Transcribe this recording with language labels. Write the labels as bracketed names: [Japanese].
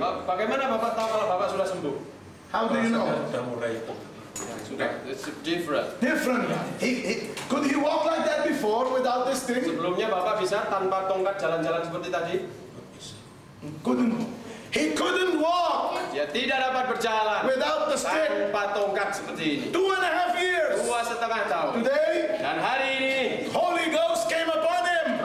[Indonesian] Bagaimana Bapak tahu kalau Bapak sudah sembuh? [English] How do you know? [Indonesian] Sudah mulai. Sudah. [English] It's different. Different. He could he walk like that before without this thing? [Indonesian] Sebelumnya Bapak bisa tanpa tongkat jalan-jalan seperti tadi? [English] Couldn't. He couldn't walk. [Indonesian] Dia tidak dapat berjalan. [English] Without the stick. [Indonesian] Tanpa tongkat seperti ini. [English] 2.5 years. [Indonesian] 2.5 tahun. [English] Today. [Indonesian] Dan hari ini. [English] Holy Ghost came upon him.